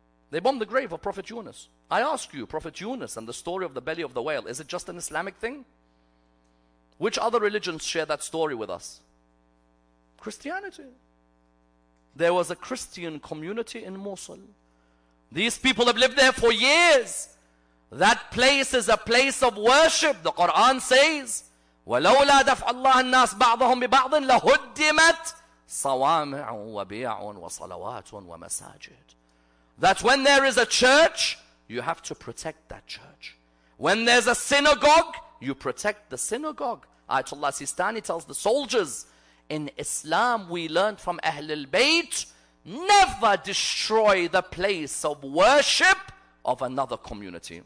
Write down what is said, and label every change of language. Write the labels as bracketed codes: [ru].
[en] They bombed the grave of Prophet Yunus. I ask you, Prophet Yunus and the story of the belly of the whale, is it just an Islamic thing? Which other religions share that story with us? Christianity. There was a Christian community in Mosul. These people have lived there for years. That place is a place of worship. The Quran says, [ar] وَلَوْلَا دَفْعَ اللَّهَ النَّاسِ بَعْضَهُمْ بِبَعْضٍ لَهُدِّمَتْ صَوَامِعٌ وَبِيَعٌ وَصَلَوَاتٌ وَمَسَاجِدٌ. [en] That when there is a church, you have to protect that church. When there's a synagogue, you protect the synagogue. Ayatollah Sistani tells the soldiers, in Islam we learned from Ahlul Bayt, never destroy the place of worship of another community.